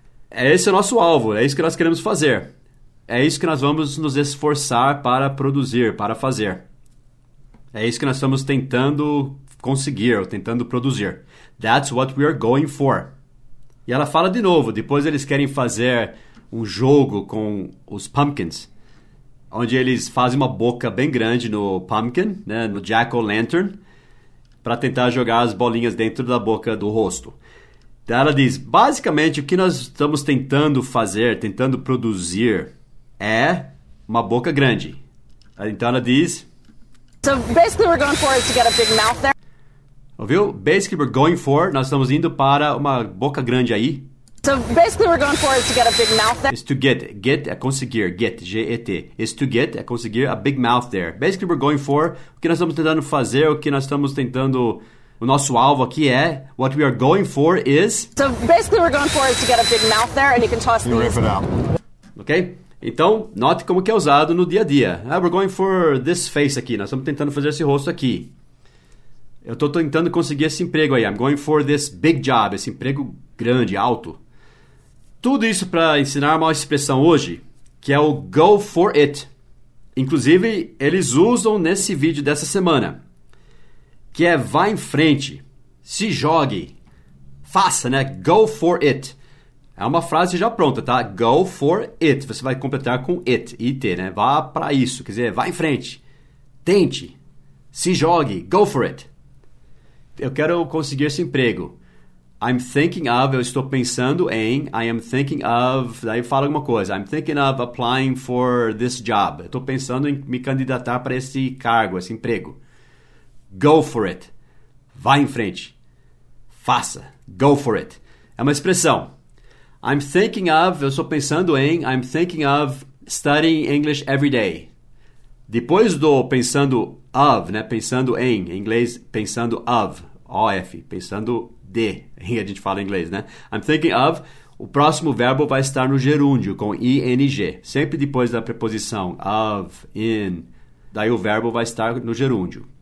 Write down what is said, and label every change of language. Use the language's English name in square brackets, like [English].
[Portuguese] É esse o nosso alvo, é isso que nós queremos fazer. É isso que nós vamos nos esforçar para produzir, para fazer. É isso que nós estamos tentando conseguir, tentando produzir. [English] That's what we are going for. [Portuguese] E ela fala de novo, depois eles querem fazer um jogo com os pumpkins, onde eles fazem uma boca bem grande no pumpkin, né, no jack-o'-lantern, para tentar jogar as bolinhas dentro da boca do rosto. Então ela diz: basicamente, o que nós estamos tentando fazer, tentando produzir, é uma boca grande. Então ela diz: [English] so basically we're going for is to get a big mouth there. [Portuguese] Ouviu? [English] Basically we're going for, [Portuguese] nós estamos indo para uma boca grande aí. [English] So basically we're going for is to get a big mouth there. Is to get [Portuguese] é conseguir, [English] get, G-E-T. Is to get é conseguir a big mouth there. Basically we're going for, [Portuguese] o que nós estamos tentando fazer, o que nós estamos tentando, o nosso alvo aqui é, [English] what we are going for is. So basically we're going for is to get a big mouth there and you can toss you these. Ok? [Portuguese] Então, note como que é usado no dia a dia. Ah, [English] we're going for this face [Portuguese] aqui, nós estamos tentando fazer esse rosto aqui. Eu estou tentando conseguir esse emprego aí. [English] I'm going for this big job, [Portuguese] esse emprego grande, alto. Tudo isso para ensinar uma expressão hoje, que é o go for it. Inclusive, eles usam nesse vídeo dessa semana, que é vá em frente, se jogue, faça, né? [English] Go for it. [Portuguese] É uma frase já pronta, tá? [English] Go for it. [Portuguese] Você vai completar com it, it, né? Vá para isso, quer dizer, vá em frente, tente, se jogue, [English] go for it. [Portuguese] Eu quero conseguir esse emprego. [English] I'm thinking of, [Portuguese] eu estou pensando em, [English] I am thinking of, [Portuguese] daí fala alguma coisa. [English] I'm thinking of applying for this job. [Portuguese] Eu estou pensando em me candidatar para esse cargo, esse emprego. [English] Go for it. [Portuguese] Vá em frente. Faça. [English] Go for it. [Portuguese] É uma expressão. [English] I'm thinking of, [Portuguese] eu estou pensando em, [English] I'm thinking of studying English every day. [Portuguese] Depois do pensando of, né, pensando em inglês, pensando of, O-F, pensando de, a gente fala em inglês, né? [English] I'm thinking of, [Portuguese] o próximo verbo vai estar no gerúndio, com ing. Sempre depois da preposição of, in, daí o verbo vai estar no gerúndio.